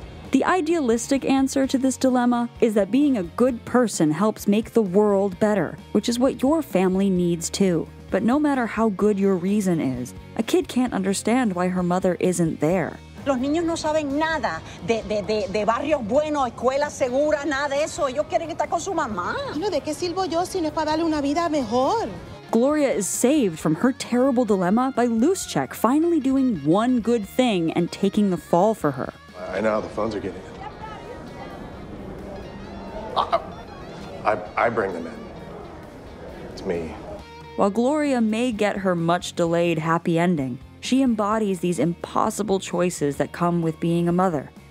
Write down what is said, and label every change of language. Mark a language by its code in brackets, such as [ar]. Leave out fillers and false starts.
[en] The idealistic answer to this dilemma is that being a good person helps make the world better, which is what your family needs too. But no matter how good your reason is, a kid can't understand why her mother isn't there. [es] Los niños no saben nada de barrios buenos, escuelas seguras, nada de eso. Ellos quieren estar con su mamá. Bueno, ¿de qué sirvo yo si no es para darle una vida mejor? [en] Gloria is saved from her terrible dilemma by Luzchek finally doing one good thing and taking the fall for her. I know how the phones are getting in. I bring them in. It's me. While Gloria may get her much-delayed happy ending, she embodies these impossible choices that come with being a mother.